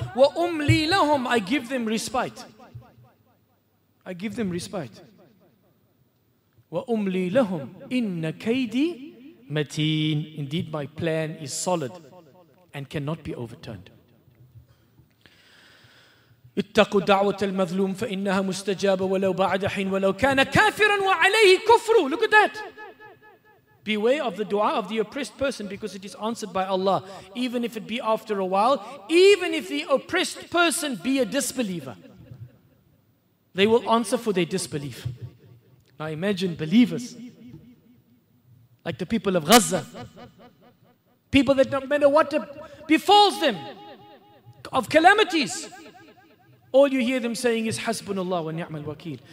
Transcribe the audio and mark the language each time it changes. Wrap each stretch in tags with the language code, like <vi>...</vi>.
<ar>وَأُمْلِي لَهُمْ.</ar> <en>I give them respite. I give them respite.</en> <ar>وَأُمْلِي لَهُمْ. إِنَّ كَيْدِي مَتِينَ.</ar> <en>Indeed, my plan is solid and cannot be overturned.</en> <ar>اتقوا دعوة المظلوم فإنها مستجابة ولو بعد حين ولو كان كافرا وعليه كفر.</ar> <en>Look at that. Beware of the dua of the oppressed person, because it is answered by Allah, even if it be after a while, even if the oppressed person be a disbeliever. They will answer for their disbelief. Now imagine believers, like the people of Gaza, people that no matter what befalls them of calamities, all you hear them saying is</en> <ar>Hasbunallah wa ni'mal wakeel.</ar>